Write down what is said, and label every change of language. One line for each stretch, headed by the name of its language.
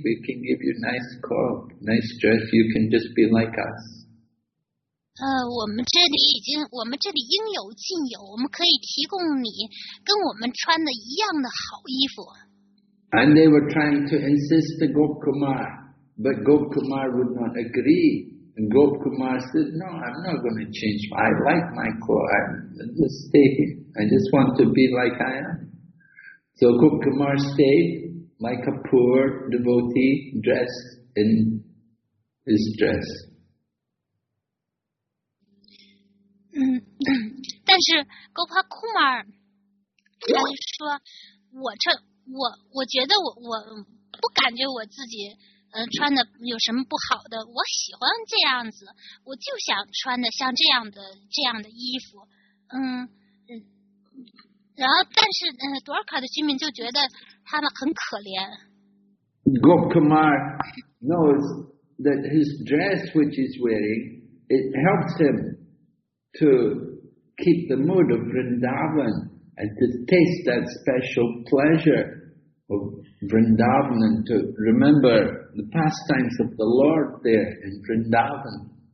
English: We can give you nice cloth, nice dress. You can just be like us.
Chinese: 我们这里应有尽有，我们可以提供你跟我们穿的一样的好衣服。
English: And they were trying to insist to Gokumar, but Gokumar would not agree. And Gokumar said, no, I'm not going to change. I like my clothes. I'm just staying. I just want to be like I am. So Gokumar stayed like a poor devotee dressed in his dress.
Chinese: 但是 Gokumar 他就说我觉得我不感觉我自己穿的有什么不好的，我喜欢这样子，我就想穿的像这样的衣服。然后但是多尔卡的居民就觉得他们很可怜。
English: Gokumar knows that his dress which he's wearing, it helps him to keep the mood of Vrindavan and to taste that special pleasure of Vrindavan and to remember the pastimes of the Lord there in Vrindavan.